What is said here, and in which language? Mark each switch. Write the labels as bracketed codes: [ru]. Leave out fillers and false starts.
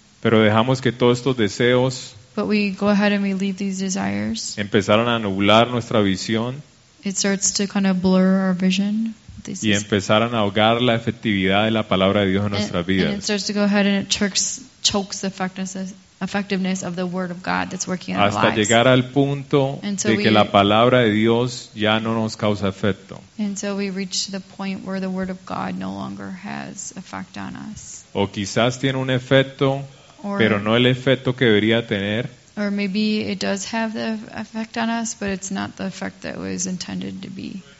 [es] Pero dejamos que todos estos deseos. [en] But we go ahead and we leave these desires. [es] Empezaron a nublar nuestra visión. [en] It starts to kind of blur our vision. [es] Y empezaron a ahogar la efectividad de la palabra de Dios en nuestras vidas. [en] And it starts to go ahead and it chokes the effectiveness of the word of God that's working in our lives. [es] Hasta llegar al punto de que la palabra de Dios ya no nos causa efecto. [en] And so we reach the point where the word of God no longer has effect on us. [es] O quizás tiene un efecto, pero no el efecto que debería tener. [en] Or maybe it does have the effect on us, but it's not the effect that was intended to be.